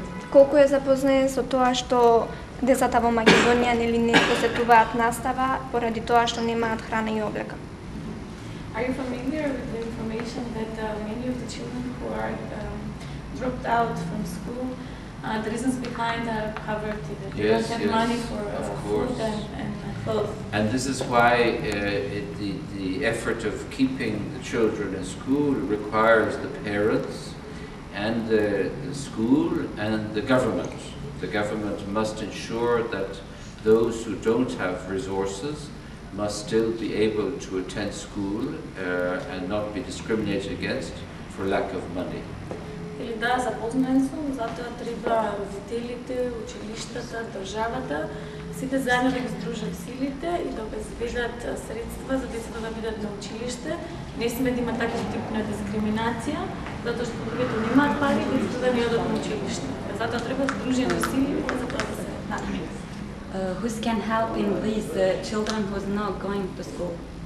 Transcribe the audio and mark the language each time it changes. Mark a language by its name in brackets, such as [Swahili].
[Macedonian] Колку е запознаен со тоа што децата во Македонија нели не посетуваат настава поради тоа што немаат храна и облека? [English] Are you familiar with the information that many of the children who are dropped out from school, the reasons behind are poverty, that they yes, don't have money for food and clothes? And this is why the effort of keeping the children in school requires the parents and the school and the government. The government must ensure that those who don't have resources must still be able to attend school and not be discriminated against for lack of money. [Macedonian] Или да, запознаен сум, затоа треба родителите, училиштата, државата, сите заедно да ги здружат силите и да обезбедат средства за децата да бидат на училиште. Не сме да има такав тип на дискриминација, затоа што другите немаат пари, децата да не одат на училиште. Затоа треба здружени сили, затоа да се надмине. [English] Who can help in these children who are not going to school?